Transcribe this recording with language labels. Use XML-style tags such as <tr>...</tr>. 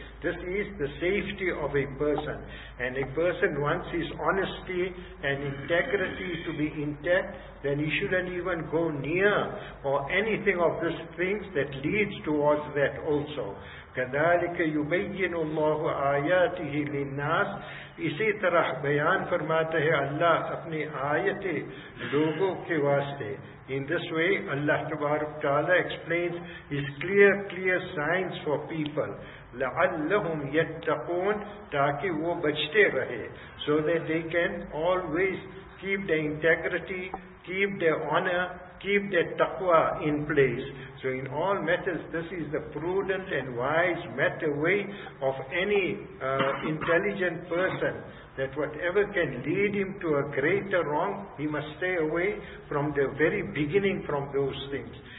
<en>This is the safety of a person. And a person wants his honesty and integrity to be intact, then he shouldn't even go near or anything of these things that leads towards that also.</en> <ar>كَذَلِكَ يُبَيِّنُ اللَّهُ آيَاتِهِ لِلنَّاسِ.</ar> <ur>اسی طرح بیان فرماتا ہے اللہ اپنی آیتیں لوگوں کے واسطے.</ur> <en>In this way, Allah Ta'ala explains His clear signs for people.</en> <ar>لَعَلَّهُمْ يَتَّقُونَ,</ar> <ur>تاکہ وہ بچتے رہے.</ur> <en>So that they can always keep their integrity, keep their honor, keep their taqwa in place. So in all matters, this is the prudent and wise matter way of any intelligent person, that whatever can lead him to a greater wrong, he must stay away from the very beginning from those things.</en>